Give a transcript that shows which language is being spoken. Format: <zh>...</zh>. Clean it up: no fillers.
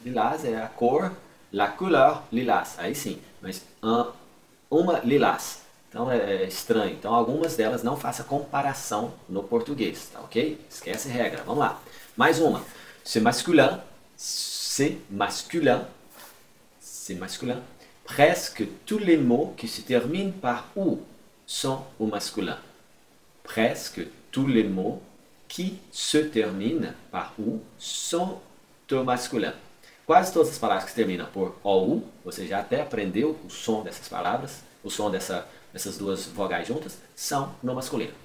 <pt>Lilás é a cor,</pt> <fr>la couleur</fr> <pt>lilás. Aí sim, mas uma lilás. Então é estranho. Então algumas delas não faça comparação no português, tá ok? Esquece a regra. Vamos lá. Mais uma.</pt> <fr>C'est masculin, presque tous les mots qui se terminent par ou sont au masculin. Presque tous les mots qui se terminent par ou sont au masculin.</fr> <pt>Quase todas as palavras que terminam por OU, você já até aprendeu o som dessas palavras, o som dessas duas vogais juntas, são no masculino.</pt>